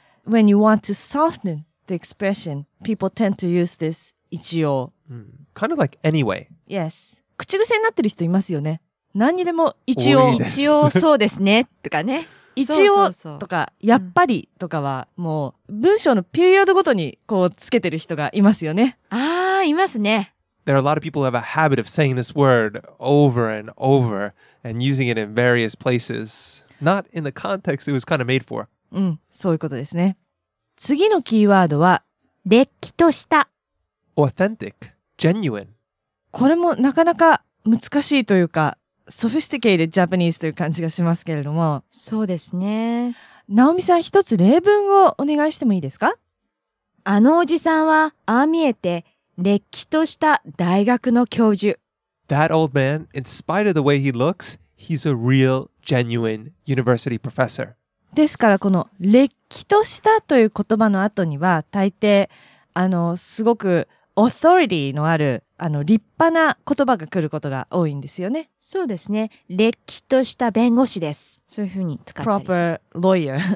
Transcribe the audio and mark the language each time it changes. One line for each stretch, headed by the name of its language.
English: when you want to softenThe expression people tend to use this 一応、 mm. kind of like anyway. Yes.
Japanese: 口癖になってる人いますよね。何にでも一応一応そうですねとかね。一応とかやっぱりとかはもう文章のピリオドごとにこうつけてる人がいますよね。ああいますね。
English: there are a lot of people who have a habit of saying this word over and over and using it in various places. Not in the context it was kind of made for.
Japanese: うん、そういうことですね。次のキーワードは、れっきとした。
English: Authentic. Genuine.
Japanese: これもなかなか難しいというか、
English: sophisticated Japanese
Japanese: という感じがしますけれども。そうですね。ナオミさん、一つ例文をお願いしてもいいですか？あのおじさんは、ああ見えて、れっきとした大学の教授。
English: That old man, in spite of the way he looks, he's a real, genuine university professor.
Japanese: ですから、この、れっきとしたという言葉の後には、大抵、すごく、authority のある、立派な言葉が来ることが多いんですよね。そうですね。れっきとした弁護士です。そういうふうに使ったり。
English: proper lawyer.